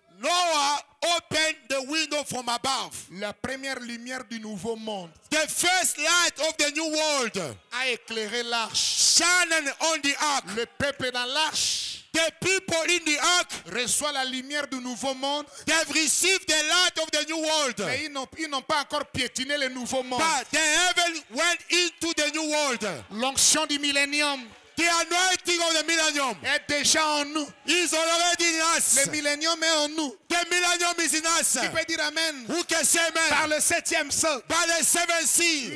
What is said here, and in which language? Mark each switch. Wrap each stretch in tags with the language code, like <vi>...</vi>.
<en>Noah opened the window from above.</en> <fr>La première lumière du nouveau monde,</fr> <en>the first light of the new world,</en> <fr>a éclairé l'arche.</fr> <en>Shining on the ark.</en> <fr>Le peuple dans l'arche.</fr> <en>The people in the ark</en> <fr>reçoit la lumière du nouveau monde.</fr> <en>They've received the light of the new world.</en> <fr>Mais ils n'ont pas encore piétiné le nouveau monde.</fr> <en>But the heaven went into the new world.</en> <fr>L'onction du millénium.</fr> <en>The anointing of the millennium</en> <fr>est déjà en nous.</fr> <en>Is already in us.</en> <fr>Le millennium est en nous.</fr> <en>The millennium is in us.</en> <fr>Qui peut dire amen?</fr> <en>Who can say amen?</en> <fr>Par le septième sol.</fr> <en>By the seventh sea.</en>